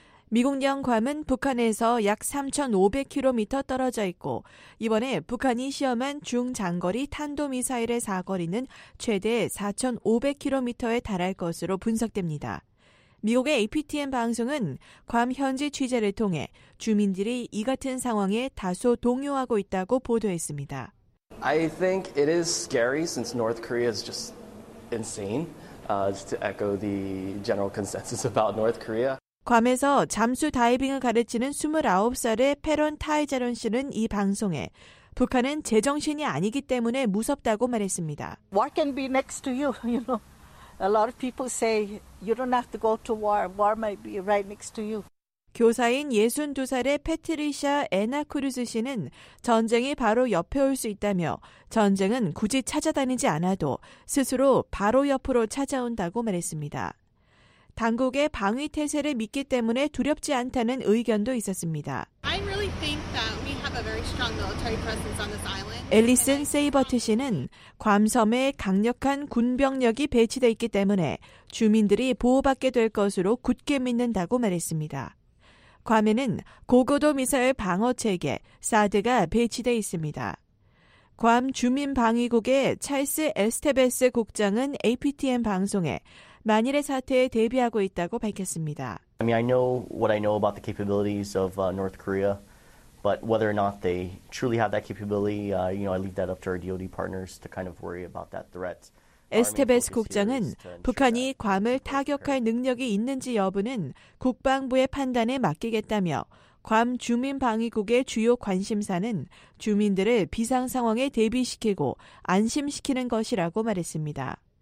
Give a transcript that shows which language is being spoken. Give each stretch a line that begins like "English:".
Korean: 미국령 괌은 북한에서 약 3,500km 떨어져 있고 이번에 북한이 시험한 중장거리 탄도미사일의 사거리는 최대 4,500km에 달할 것으로 분석됩니다. 미국의 APTN 방송은 괌 현지 취재를 통해 주민들이 이 같은 상황에 다소 동요하고 있다고 보도했습니다.
English: I think it is scary since North Korea is just insane. To echo the general consensus about North Korea.
Korean: 괌에서 잠수 다이빙을 가르치는 29살의 페론 타이자론 씨는 이 방송에 북한은 제정신이 아니기 때문에 무섭다고 말했습니다.
English: War can be next to you, you know. A lot of people say you don't have to go to war. War might be right next to you.
Korean: 교사인 62살의 패트리샤 에나 크루즈 씨는 전쟁이 바로 옆에 올 수 있다며 전쟁은 굳이 찾아다니지 않아도 스스로 바로 옆으로 찾아온다고 말했습니다. 당국의 방위 태세를 믿기 때문에 두렵지 않다는 의견도 있었습니다.
English: I really think that we have a very strong military presence on this island.
Korean: 앨리슨 세이버트 씨는 괌섬에 강력한 군병력이 배치돼 있기 때문에 주민들이 보호받게 될 것으로 굳게 믿는다고 말했습니다. 괌에는 고고도 미사일 방어 체계 사드가 배치돼 있습니다. 괌 주민 방위국의 찰스 에스테베스 국장은 APTN 방송에 만일의 사태에 대비하고 있다고 밝혔습니다.
English: I mean, I know what I know about the capabilities of North Korea, but whether or not they truly have that capability, you know, I leave that up to our DoD partners to kind of worry about that threat.
Korean: 에스테베스 국장은 북한이 괌을 타격할 능력이 있는지 여부는 국방부의 판단에 맡기겠다며 괌 주민 방위국의 주요 관심사는 주민들을 비상 상황에 대비시키고 안심시키는 것이라고 말했습니다.